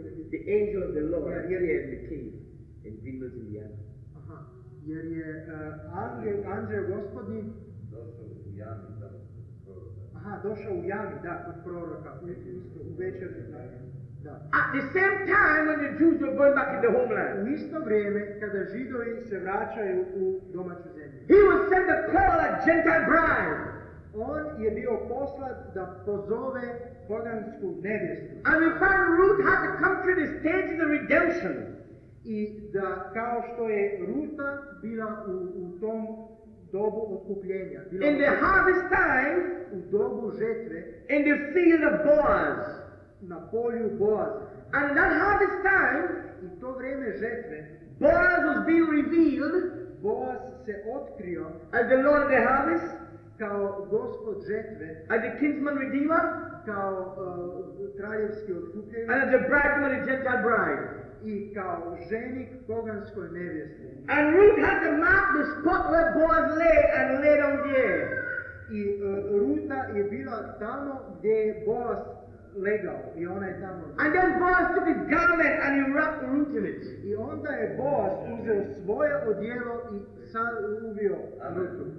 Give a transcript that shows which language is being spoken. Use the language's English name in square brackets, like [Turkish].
[English] the angel of the Lord here in the cave in Greenmills, Indiana. [Croatian] Jer je angel gospodin došao u jami, da, proroka. Aha, došao u jami, da, kod proroka, u večernju. [English] At the same time when the Jews were going back in the homeland. [Croatian] U isto vrijeme kada Židovi se vraćaju u domaću zemlju. [English] He was sent to call a Gentile bride. [Croatian] On je bio poslat da pozove pogansku nevjestu. [English] And we find Ruth had to come through the stage of the redemption. [Croatian] I da kao što je Ruta bila u tom dobu otkupljenja. [English] In the harvest time. [Croatian] U dobu žetve. [English] In the field of Boaz. [Croatian] Na polju Boaz. [English] And that harvest time, [Croatian] u to vrijeme žetve, [English] Boaz was being revealed, [Croatian] Boaz se otkrio, [English] as the Lord of the harvest, [Croatian] kao gospod žetve, [English] as the kinsman redeemer, [Croatian] kao kraljevski otkupljenik, [English] and as the bridegroom of the Gentile bride, [Croatian] i kao ženik poganskoj nevjesti. [English] And Ruth had to mark the spot where Boaz lay and laid on the air. [Croatian] I Ruta je bila tamo gdje je Boaz lego, i ona je tamo. [English] And then Boaz took his garment and he wrapped the root in it. [Croatian] I onda je Boaz uzeo svoje odijelo i sad uvio rutu.